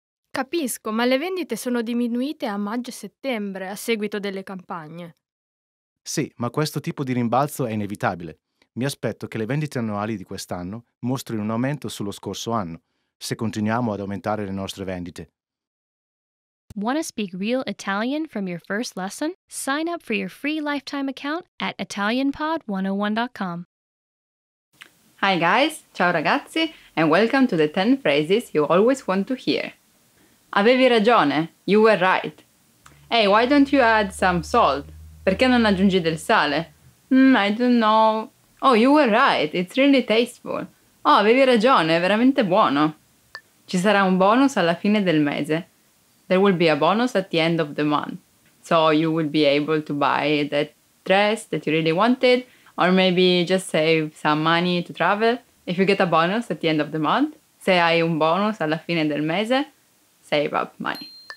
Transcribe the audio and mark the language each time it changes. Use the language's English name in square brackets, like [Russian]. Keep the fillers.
[Italian] Capisco, ma le vendite sono diminuite a maggio settembre a seguito delle campagne. Sì, ma questo tipo di rimbalzo è inevitabile. Mi aspetto che le vendite annuali di quest'anno mostrino un aumento sullo scorso anno, se continuiamo ad aumentare le nostre vendite. [English] Want to speak real Italian from your first lesson? Sign up for your free lifetime account at italianpod101.com. Hi guys, [Italian] ciao ragazzi, [English] and welcome to the 10 phrases you always want to hear. [Italian] Avevi ragione, [English] you were right. Hey, why don't you add some salt? [Italian] Perché non aggiungi del sale? [English] Mm, I don't know. Oh, you were right, it's really tasteful. [Italian] Oh, avevi ragione, è veramente buono. Ci sarà un bonus alla fine del mese. [English] There will be a bonus at the end of the month. So you will be able to buy that dress that you really wanted, or maybe just save some money to travel. If you get a bonus at the end of the month, [Italian] se hai un bonus alla fine del mese, [English] save up money.